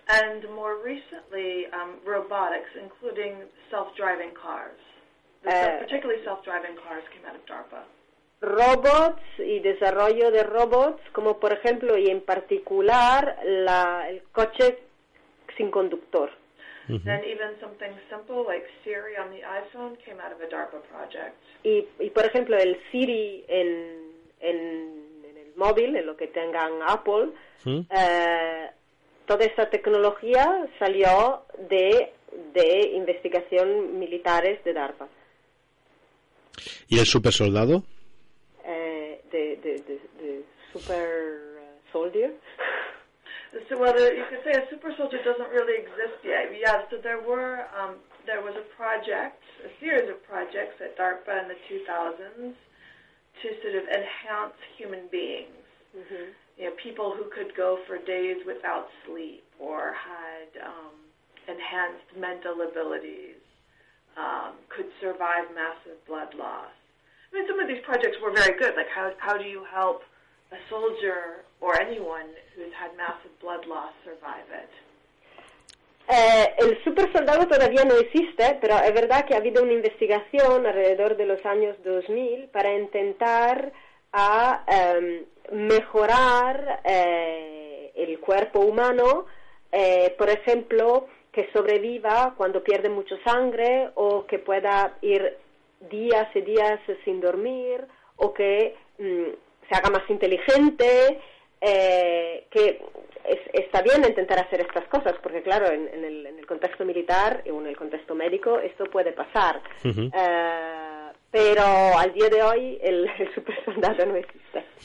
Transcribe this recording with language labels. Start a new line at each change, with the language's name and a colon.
English: and more recently robotics including self-driving cars particularly self-driving cars came out of DARPA.
Spanish: Robots y desarrollo de robots, como por ejemplo y en particular la, el coche sin conductor.
English: Then even something simple like Siri on the iPhone came out of a DARPA project.
Spanish: Y por ejemplo el Siri en el móvil, en lo que tengan Apple, toda esa tecnología salió de investigación militares de DARPA. ¿Y el super soldado?
English: The super soldier. So whether you could say a super soldier doesn't really exist yet. Yeah. So there were there was a project, a series of projects at DARPA in the 2000s to sort of enhance human beings. Mm-hmm. You know, people who could go for days without sleep or had enhanced mental abilities could survive massive blood loss. I mean, some of these projects were very good. Like, how do you help a soldier or anyone who's had massive blood loss survive it?
Spanish: El super soldado todavía no existe, pero es verdad que ha habido una investigación alrededor de los años 2000 para intentar a mejorar el cuerpo humano, por ejemplo, que sobreviva cuando pierde mucho sangre o que pueda ir días y días sin dormir o que se haga más inteligente que está bien intentar hacer estas cosas porque claro en el contexto militar y en el contexto médico esto puede pasar pero al día de hoy el super soldado no existe.